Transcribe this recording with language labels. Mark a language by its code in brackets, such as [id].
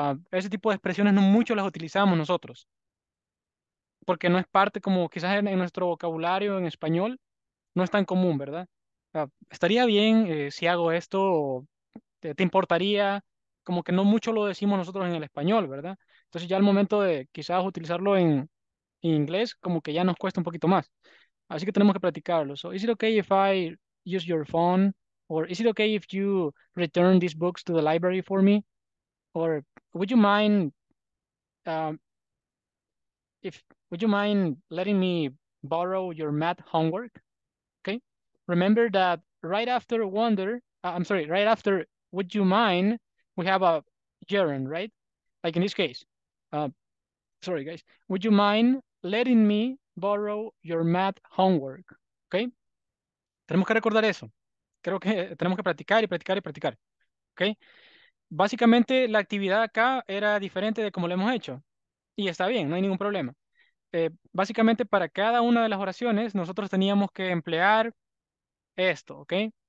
[es] Ese tipo de expresiones no mucho las utilizamos nosotros. Porque no es parte como quizás en nuestro vocabulario en español. No es tan común, ¿verdad? Estaría bien si hago esto. ¿Te importaría? Como que no mucho lo decimos nosotros en el español, ¿verdad? Entonces ya al momento de quizás utilizarlo en inglés, como que ya nos cuesta un poquito más. Así que tenemos que practicarlo. [en] So, is it okay if I use your phone? Or is it okay if you return these books to the library for me? Or would you mind letting me borrow your math homework? Okay. Remember that right after right after would you mind, we have a gerund, right? Like in this case. Sorry, guys. Would you mind letting me borrow your math homework? [es] Okay? Tenemos que recordar eso. Creo que tenemos que practicar y practicar y practicar. Okay? Básicamente, la actividad acá era diferente de como lo hemos hecho. Y está bien, no hay ningún problema. Básicamente, para cada una de las oraciones, nosotros teníamos que emplear esto, okay?